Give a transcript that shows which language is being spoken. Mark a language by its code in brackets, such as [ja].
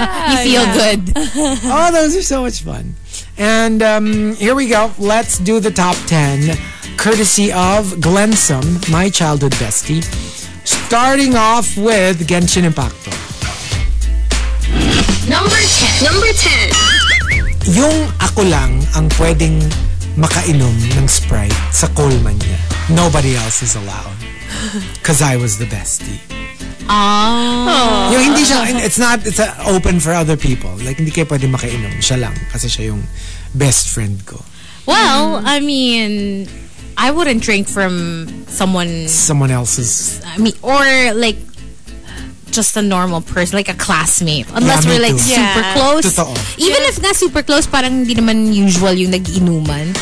[en] You feel good. Oh, those are so much fun. And here we go. Let's do the top 10, courtesy of Glensum, my childhood bestie. Starting off with Genshin Impact. Number 10. [tl] Yung ako lang ang pwedeng makainom ng Sprite sa Coleman niya. [en] Nobody else is allowed. Because I was the bestie. Aww. [tl] Yung hindi siya, [en] it's open for other people. [tl] Like, hindi kayo pwedeng makainom. Siya lang. Kasi siya yung best friend ko. [en] Well, I mean, I wouldn't drink from someone else's. I mean, or like, just a normal person, like a classmate. Unless we're like too. Super close. [tl] Totoo. [en] Even if [tl] na [en] super close, [tl] parang hindi naman usual yung nag-inuman.